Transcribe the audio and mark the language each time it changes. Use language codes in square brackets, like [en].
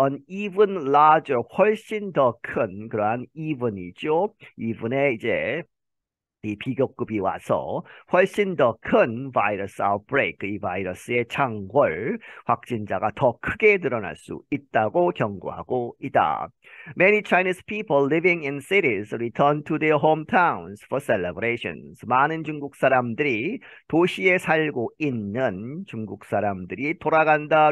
[en] An even larger [ko] 훨씬 더큰 그러한 even이죠. even의 이제 이 비교급이 와서 훨씬 더큰 바이러스 아웃브레이크, 이 바이러스의 창궐, 확진자가 더 크게 늘어날 수 있다고 경고하고 있다. [en] Many Chinese people living in cities return to their hometowns for celebrations. [ko] 많은 중국 사람들이 도시에 살고 있는 중국 사람들이 돌아간다.